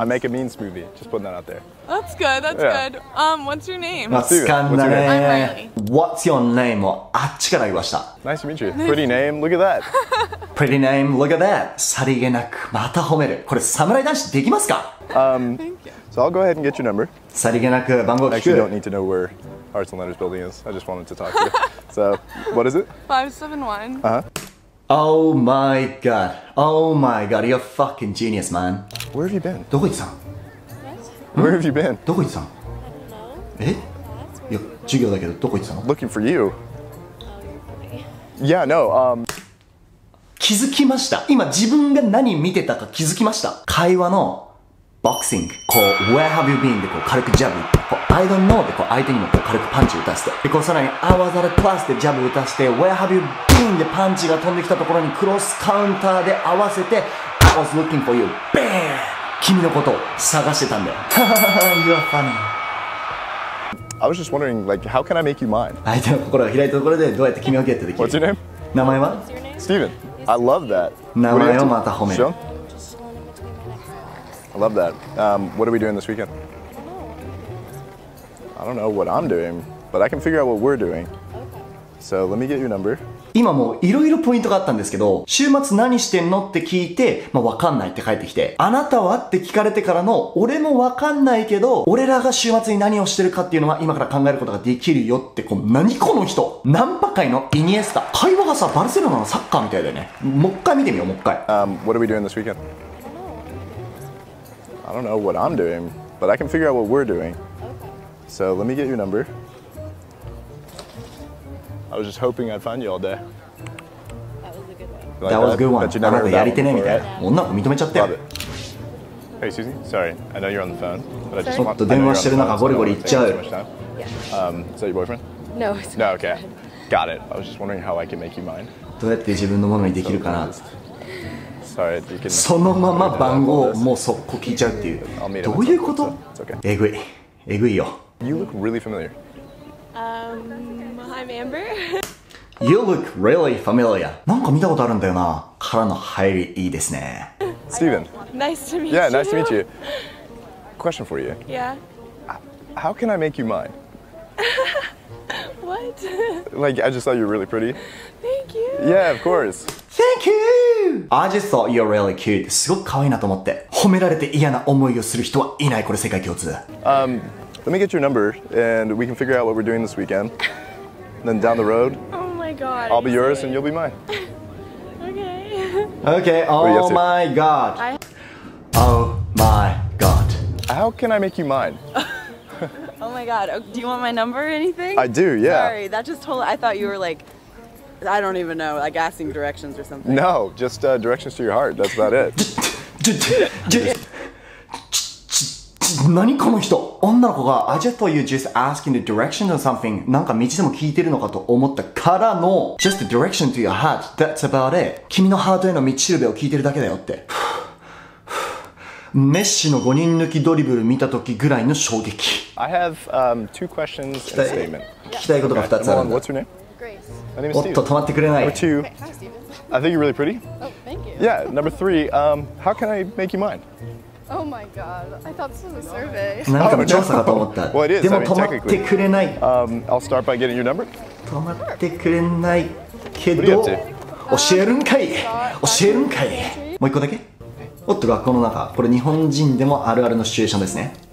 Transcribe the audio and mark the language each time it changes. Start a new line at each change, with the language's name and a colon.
English: I make a mean smoothie. Just putting that out there. That's good. That's good. What's your name?
Japanese: まあ、つかんだね。
English: I'm Riley. What's your name?
Japanese: もうあっちから言いました。
English: Nice to meet you. Pretty name. Look at that. Pretty name. Look at that.
Japanese: さりげなくまた褒める。これ侍男子できますか？
English: So I'll go ahead and get your number.
Japanese: さりげなく番号聞く。
English: Actually, don't need to know where Arts and Letters Building is. I just wanted to talk to you. So, what is it? 571. Oh my god. Oh my god. You're fucking genius, man. Where have you been?
Japanese: どこ行ってたん？
English: What? Where have you been?
Japanese: どこ行ってたん？
English: I don't
Japanese: know. え？ いや、授業だけどどこ行ってたの？
English: Looking for you. Oh, you're funny. Yeah, no,
Japanese: 気づきました。今自分が何見てたか気づきました。会話のボクシング、こう
English: Where have you been?
Japanese: でこう軽くジャブ、こう
English: I don't know
Japanese: でこう相手にもこう軽くパンチ打たせて、でこうさらに
English: I was at a class
Japanese: でジャブ打たせて、 Where have you been? でパンチが飛んできたところにクロスカウンターで合わせて
English: I was looking for you BAM!
Japanese: 君のことを探してたんだよ。
English: You're funny I was just wondering, like, how can I make you mine?
Japanese: 相手の心が開いたところでどうやって君をゲットできる？
English: What's your name?
Japanese: 名前は？
English: Steven. I love that.
Japanese: 名前をまた褒める。
English: Sean? I love that. What are we doing this weekend? I don't know what I'm doing, but I can figure out what we're doing. So let me get your number.
Japanese: 今もいろいろポイントがあったんですけど、週末何してんのって聞いて、まあ、わかんないって返ってきて、あなたはって聞かれてからの、俺もわかんないけど、俺らが週末に何をしてるかっていうのは今から考えることができるよって、こう、何この人？ナンパ界のイニエスタ。会話がさ、バルセロナのサッカーみたいだよね。もう一回見てみよう、もう一回。
English: What are we doing this weekend? I don't know what I'm doing, but I can figure out what we're doing. So let me get your number. I was just hoping I'd find you all day. That was a good one. Like, that was a good one. But you never heard that one before, right? Yeah. Love it. Hey, excuse me. Sorry. I know you're on the phone. But I just want to know you're on the phone. Sorry. Is that your boyfriend? No, it's not. No, okay. Got it. I was just wondering how I can make you mine.
Japanese: どうやって自分のものにできるかな?
English: started, you can...
Japanese: そのまま番号をもう速攻聞いちゃうっていう。どういうこと？えぐい。えぐいよ。
English: You look really familiar. I'm Amber. You look really familiar.
Japanese: なんか見たことあるんだよな。からの入りいいですね。
English: Steven. Nice to meet you. Yeah, nice to meet you. Question for you. Yeah. How can I make you mine? What? Like, I just thought you were really pretty. Thank you. Yeah, of course. Thank you. I just thought you're really cute.
Japanese: すごく可愛いなと思って。褒められて嫌な思いをする人はいない。これ世界共通。
English: Let me get your number and we can figure out what we're doing this weekend. Then down the road. Oh my god. I'll be yours and you'll be mine. Okay. Okay. Oh my god. Oh my god. How can I make you mine? Oh my god. Do you want my number or anything? I do. Yeah. Sorry. That just totally. I thought you were like. I don't even know, like asking directions or something. No, just directions to your heart, that's about it. What is this person? A girl said, I just thought you were just asking the directions or something. I thought you were just asking the directions or something. I thought you were just asking the directions to your heart, that's about it. I thought you were just asking the directions to your heart, that's about it.
Japanese: メッシの5人抜きドリブル見たときぐらいの衝撃。
English: I have two questions and a statement.
Japanese: 聞きたいことが2つあるんだ。
English: What's your name? Grace. My name is Steven.
Japanese: おっと、止まってくれない。
English: Number two, I think you're really pretty. Oh, thank you. Yeah, number three, how can I make you mine? Oh my god, I thought this was a survey.
Japanese: なんかの調査かと思った。
English: Well, it is.
Japanese: でも止まってくれない。
English: I'll start by getting your number.
Japanese: 止まってくれないけど、教えるんかい。教えるんかい。もう一個だけ。おっと、学校の中。これ日本人でもあるあるのシチュエーションですね。